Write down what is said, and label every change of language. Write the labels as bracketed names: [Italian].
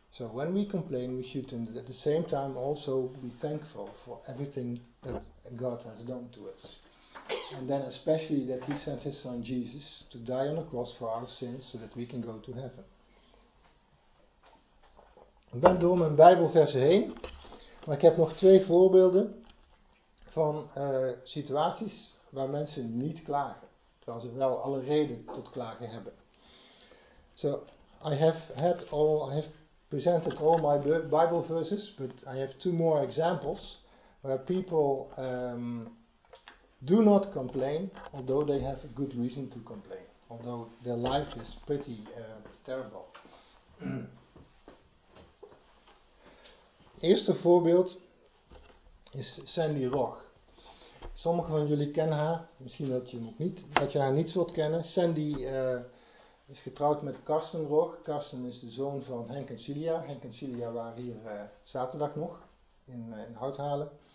[English] So when we complain, we should at the same time also be thankful for everything that God has done to us. And then especially that he sent his son Jesus to die on the cross for our sins so that we can go to heaven. [Dutch] Ik ben door mijn Bijbelversen heen, maar ik heb nog twee voorbeelden van situaties waar mensen niet klagen, terwijl ze wel alle reden tot klagen hebben. [English] So, I have presented all my Bible verses, but I have two more examples where people do not complain, although they have a good reason to complain, although their life is pretty terrible. [Dutch] Eerste voorbeeld is Sandy Roch. Sommigen van jullie kennen haar, misschien dat je haar niet zult kennen. Sandy is getrouwd met Karsten Roch. Karsten is de zoon van Henk en Cilia. Henk en Cilia waren hier zaterdag nog in Houthalen.